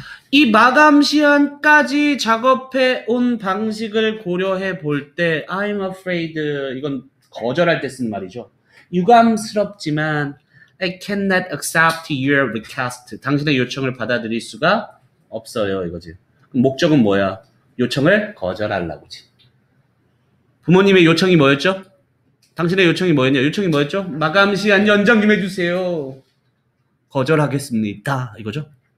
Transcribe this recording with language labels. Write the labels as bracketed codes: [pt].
[ko] 이 마감 시한까지 작업해 온 방식을 고려해 볼 때 [en] I'm afraid, [ko] 이건 거절할 때 쓴 말이죠. 유감스럽지만 [en] I cannot accept your request. [ko] 당신의 요청을 받아들일 수가 없어요. 이거지. 목적은 뭐야? 요청을 거절하려고지. 부모님의 요청이 뭐였죠? 당신의 요청이 뭐였냐? 요청이 뭐였죠? 마감 시한 연장 좀 해주세요. 거절하겠습니다. 이거죠?